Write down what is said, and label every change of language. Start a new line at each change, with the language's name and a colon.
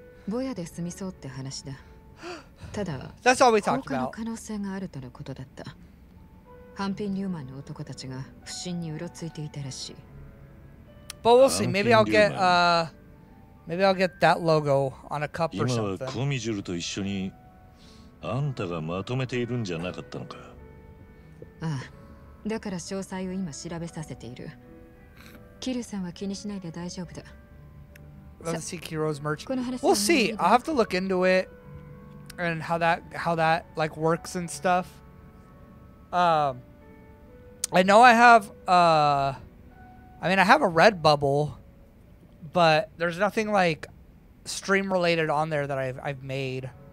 Japanese: ぼやで済みそうって話だ。ただ、
English: That's all we talked about.
Japanese: 放火の可能性があるとのことだった。ハンピン・リューマンの男たちが不審にうろついていたらしい。
English: But we'll see. Maybe I'll get that logo on a cup or something.
Japanese: 今はコミジュルと一緒にあんたがまとめているんじゃなかったのか。ああ、だから詳細を今調べさせている。キルさんは気にしないで大丈夫だ。
English: Unseek Heroes merch. We'll see. I'll have to look into it and how that like works and stuff. I know I have I have a Redbubble, but there's nothing like stream related on there that I've made.